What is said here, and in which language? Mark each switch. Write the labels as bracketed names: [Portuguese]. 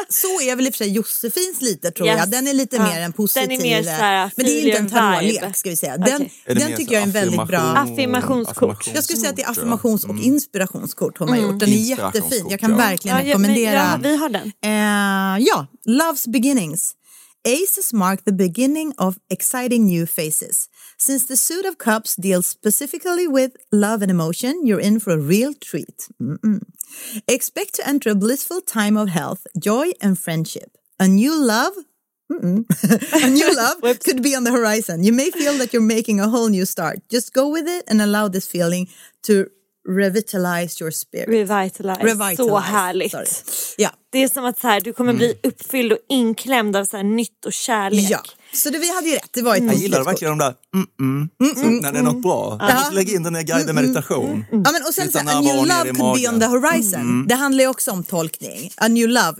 [Swedish] Så är väl i och för sig Josefins lite, tror jag. Den är lite mer en positiv... Den är mer såhär, men det är inte en tarotlek, ska vi säga. Den tycker jag är en väldigt bra... Affirmationskort. Jag skulle säga att det är affirmations- och inspirationskort hon har gjort. Den är jättefin. Jag kan verkligen rekommendera... Vi har den. Ja, Love's Beginnings. [English] Aces mark the beginning of exciting new faces. Since the suit of cups deals specifically with love and emotion, you're in for a real treat. Mm-mm. Expect to enter a blissful time of health, joy and friendship. A new love, a new love could be on the horizon. You may feel that you're making a whole new start. Just go with it and allow this feeling to revitalize your spirit. Revitalize. [Swedish] Så härligt. Ja. Det är som att så här, du kommer bli uppfylld och inklämd av så här nytt och kärlek. Ja. Så det vi hade ju rätt. Det var ett jag gillar verkligen de där när det är något bra. Lägg in den här guided meditation. Ja, men och sen så här, [English] a new love could be on the horizon. [Swedish] Mm. Det handlar ju också om tolkning. [English] A new love.